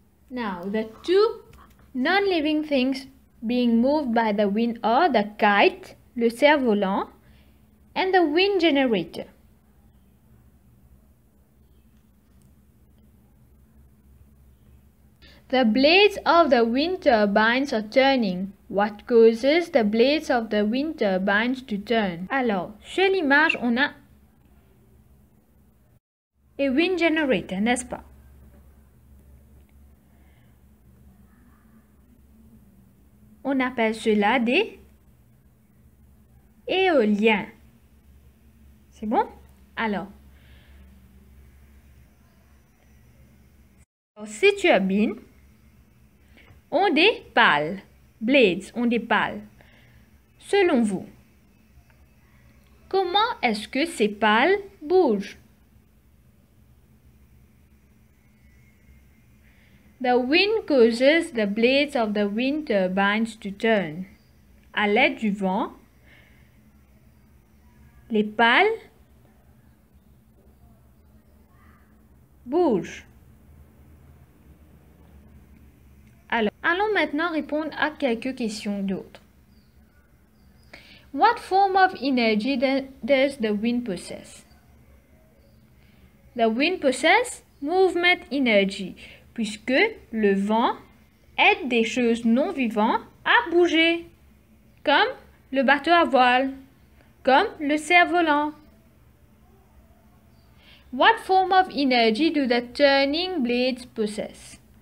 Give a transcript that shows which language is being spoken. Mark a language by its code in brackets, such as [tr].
[en] Now, the two non-living things being moved by the wind are the kite, le cerf-volant, and the wind generator. The blades of the wind turbines are turning. What causes the blades of the wind turbines to turn? [fr] Alors, chez l'image, on a a wind generator, n'est-ce pas? On appelle cela des éoliens. C'est bon? Alors, ces turbines ont des pales. Blades ont des pales. Selon vous, comment est-ce que ces pales bougent? [en] The wind causes the blades of the wind turbines to turn. [fr] À l'aide du vent, les pales bougent. Alors, allons maintenant répondre à quelques questions d'autres. [en] What form of energy does the wind possess? The wind possesses movement energy. [fr] Puisque le vent aide des choses non vivantes à bouger, comme le bateau à voile, comme le cerf-volant. [en] What form of energy do the turning blades possess?